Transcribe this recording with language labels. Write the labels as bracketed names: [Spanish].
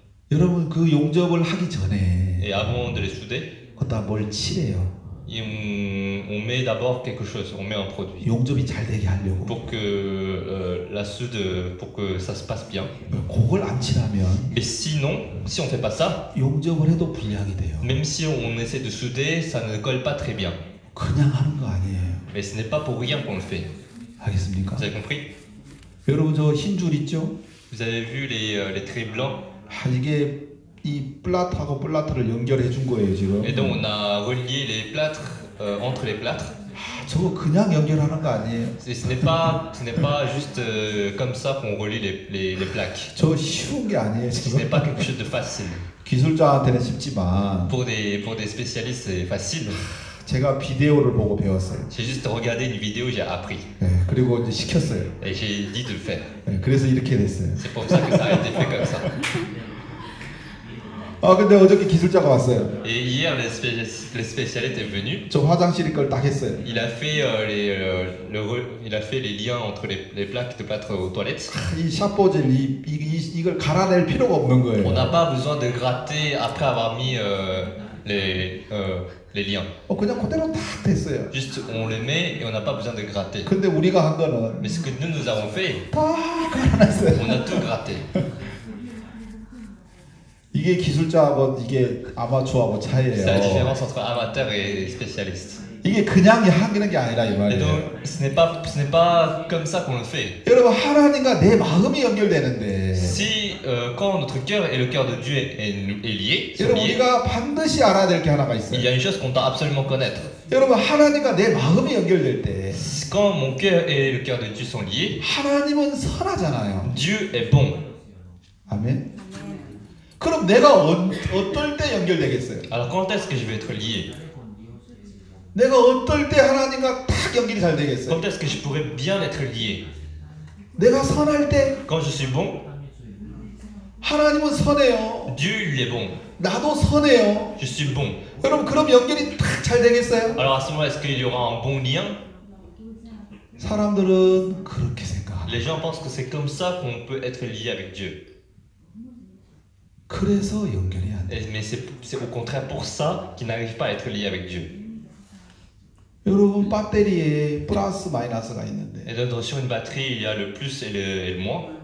[Korean] 여러분 그 용접을 하기 전에 [French] Et avant de les souder [Korean] 거기다 뭘 칠해요. [French] On met d'abord quelque chose, on met un produit. [Korean] 용접이 잘 되게 하려고. [French] Pour que la soude, pour que ça se passe bien. [Korean] 그걸 안 칠하면. [French] Mais sinon, si on fait pas ça. [Korean] 용접을 해도 불량이 돼요. [French] Même si on essaie de souder, ça ne colle pas très bien. [Korean] 그냥 하는 거 아니에요. [French] Mais ce n'est pas pour rien qu'on le fait. [Korean] 알겠습니까? [French] Vous avez compris? [Korean] 여러분 저 흰 줄 있죠? [French] Vous avez vu les traits blancs? [Korean] 아, 이게 이 플라트하고 플라트를 연결해 준 거예요 지금. [French] Et donc on a relié les plâtres entre les plâtres. [Korean] 저거 그냥 연결하는 거 아니에요. [French] Ce n'est pas juste comme ça qu'on relie les plaques. [Korean] 저 쉬운 게 아니에요. [French] Ce n'est pas quelque chose de facile. [Korean] 기술자한테는 쉽지만. [French] Pour des spécialistes c'est facile. [Korean] 제가 비디오를 보고 배웠어요. [French] J'ai juste regardé une vidéo, j'ai appris. [Korean] 네, 그리고 이제 시켰어요. [French] Et j'ai dit de le faire. 네, [Korean] 그래서 이렇게 됐어요. [French] C'est pour ça que ça a été fait comme ça. [Korean] 아 근데 어저께 기술자가 왔어요. [French] Et hier le spécialiste est venu. [Korean] 저 화장실에 걸 딱 했어요. [French] Il a fait les liens entre les plaques de plâtre aux toilettes. [Korean] 이 샤포젤 이걸 갈아낼 필요가 없는 거예요. [French] On n'a pas besoin de gratter après avoir mis les liens. [Korean] 어 그냥 그대로 딱 됐어요. [French] Juste on le met et on n'a pas besoin de gratter. [Korean] 근데 우리가 한 거는 [French] Mais ce que nous avons fait. [Korean] 다 갈아냈어요. [French] On a tout gratté. [Korean] 이게 기술자하고 이게 아마추어하고 차이예요. [French] C'est la différence entre amateur et spécialiste. [Korean] 이게 그냥 하는 게 아니라 이 말이에요. [French] Ce n'est pas comme ça qu'on le fait. [Korean] 여러분 하나님과 내 마음이 연결되는데. [French] Si quand notre cœur et le cœur de Dieu est lié. [Korean] 여러분 우리가 반드시 알아야 될 게 하나가 있어요. [French] Il y a une chose qu'on doit absolument connaître. [Korean] 여러분 하나님과 내 마음이 연결될 때. [French] Quand mon cœur et le cœur de Dieu sont liés. [Korean] 하나님은 선하잖아요. [French] Dieu est bon. [Korean] 아멘. 그럼 내가 어떨 때 연결되겠어요? [French] Alors quand est-ce que je vais être lié? [Korean] 내가 어떨 때 하나님과 딱 연결이 잘 되겠어요? [French] Quand est-ce que je pourrais bien être lié? [Korean] 내가 선할 때? [French] Quand je suis bon? [Korean] 하나님은 선해요. [French] Dieu lui est bon. [Korean] 나도 선해요. [French] Je suis bon. [Korean] 그럼 연결이 딱 잘 되겠어요? [French] Alors à ce moment est-ce qu'il y aura un bon lien? [Korean] 사람들은 그렇게 생각. [French] Les gens pensent que c'est comme ça qu'on peut être lié avec Dieu. [Korean] 그래서 연결이 안 돼. [French] Mais c'est au contraire pour ça qu'il n'arrive pas à être lié avec Dieu. [Korean] 여러분 배터리에 플러스 마이너스가 있는데. [French] Et donc sur une batterie il y a le plus et le moins.